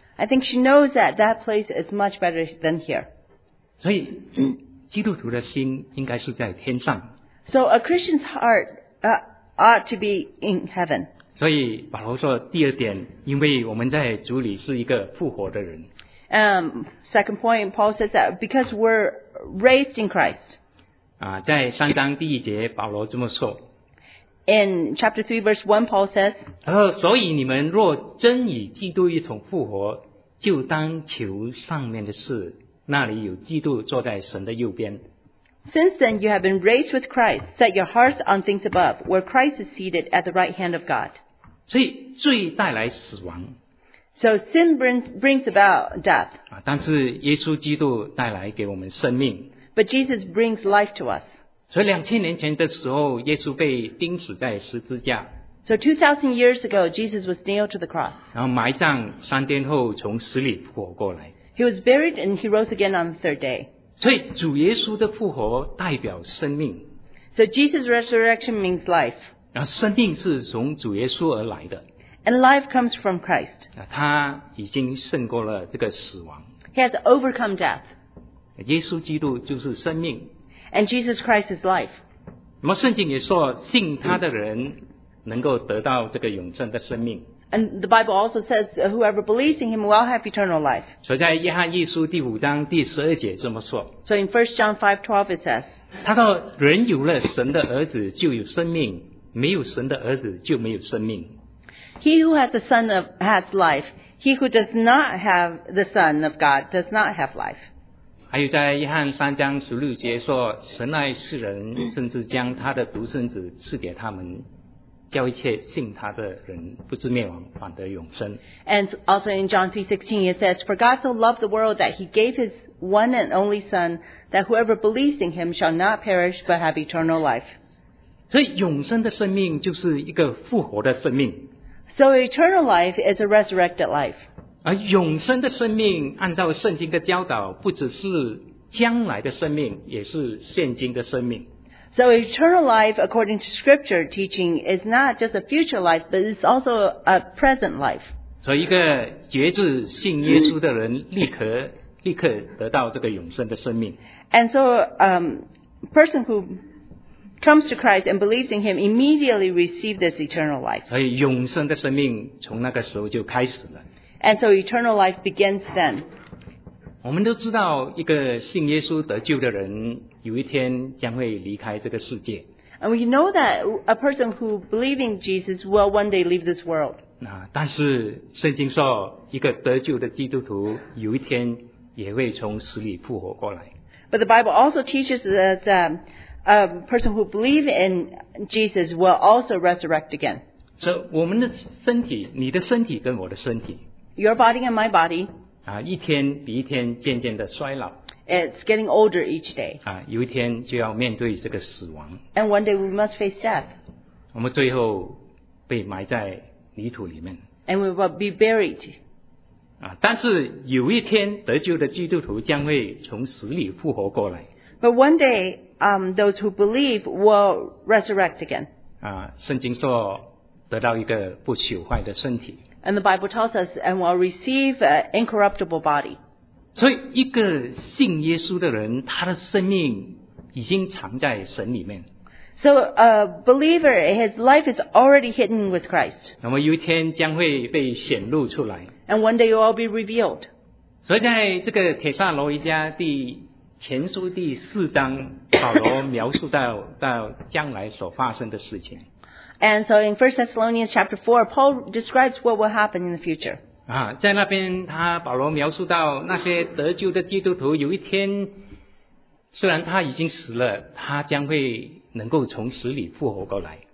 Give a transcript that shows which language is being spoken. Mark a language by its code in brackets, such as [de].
[en] I think she knows that that place is much better than here. [zh] 所以基督徒的心应该是在天上。 [en] So a Christian's heart, ought to be in heaven. [zh] 所以保罗说第二点，因为我们在主里是一个复活的人。 [en] Second point, Paul says that because we're raised in Christ. [zh] 在三章第一节保罗这么说。 [en] In chapter 3 verse 1, Paul says, [zh] 所以你们若真与基督一同复活，就当求上面的事，那里有基督坐在神的右边。 [en] Since then you have been raised with Christ, set your hearts on things above, where Christ is seated at the right hand of God. [zh] 所以罪带来死亡。 [en] So sin brings about death. [zh] 但是耶稣基督带来给我们生命。 [en] But Jesus brings life to us. [zh] 所以2000年前的时候耶稣被钉死在十字架。 [en] So 2000 years ago, Jesus was nailed to the cross. [zh] 然后埋葬三天后从死里复活过来。 [en] He was buried and he rose again on the third day. [zh] 所以主耶稣的复活代表生命。 [en] So Jesus' resurrection means life. [zh] 然后生命是从主耶稣而来的。 [en] And life comes from Christ. [zh] 他已经胜过了这个死亡。 [en] He has overcome death. [zh] 耶稣基督就是生命。 [en] And Jesus Christ is life. [zh] 那么圣经也说，信他的人能够得到这个永生的生命。 [en] And the Bible also says, whoever believes in him will have eternal life. [zh] 所以在约翰一书第五章第十二节这么说。 [en] So in 1 John 5:12 it says, [zh] 他说，人有了神的儿子就有生命，没有神的儿子就没有生命。 [en] He who has the Son of has life. He who does not have the Son of God does not have life. [zh] 还有在约翰三章十六节说，神爱世人，甚至将他的独生子赐给他们，叫一切信他的人不至灭亡，反得永生。 [en] And also in John 3:16 it says, For God so loved the world that he gave his one and only Son, that whoever believes in him shall not perish but have eternal life. [zh] 所以永生的生命就是一个复活的生命。 [en] So eternal life is a resurrected life. [zh] 而永生的生命按照圣经的教导不只是将来的生命也是现今的生命。 [en] So eternal life according to scripture teaching is not just a future life but it's also a present life. [zh] 所以一个决志信耶稣的人立刻得到这个永生的生命。 [en] And so person who comes to Christ and believes in him immediately receive this eternal life. [zh] 所以永生的生命从那个时候就开始了。 [en] And so eternal life begins then. [zh] 我们都知道一个信耶稣得救的人有一天将会离开这个世界。 [en] And we know that a person who believes in Jesus will one day leave this world. [zh] 但是圣经说一个得救的基督徒有一天也会从死里复活过来。 [en] But the Bible also teaches us that a person who believes in Jesus will also resurrect again. [zh] So 我们的身体你的身体跟我的身体 [en] Your body and my body. [zh] 一天比一天渐渐的衰老。 [en] It's getting older each day. [zh] 有一天就要面对这个死亡。 [en] And one day we must face death. [zh] 我们最后被埋在泥土里面。 [en] And we will be buried. [zh] 但是有一天得救的基督徒将会从死里复活过来。 [en] But one day, those who believe will resurrect again. [zh] 圣经说得到一个不朽坏的身体。 [en] And the Bible tells us, and will receive an incorruptible body. [zh] 所以一个信耶稣的人，他的生命已经藏在神里面。 [en] So a believer, his life is already hidden with Christ. [zh] 那么有一天将会被显露出来。 [en] And one day it will be revealed. [zh] 所以在这个帖撒罗尼迦第前书第四章，保罗描述到将来所发生的事情。 [en] And so in 1 Thessalonians chapter 4, Paul describes what will happen in the future. [zh] 在那边他保罗描述到那些得救的基督徒有一天虽然他已经死了他将会能够从死里复活过来。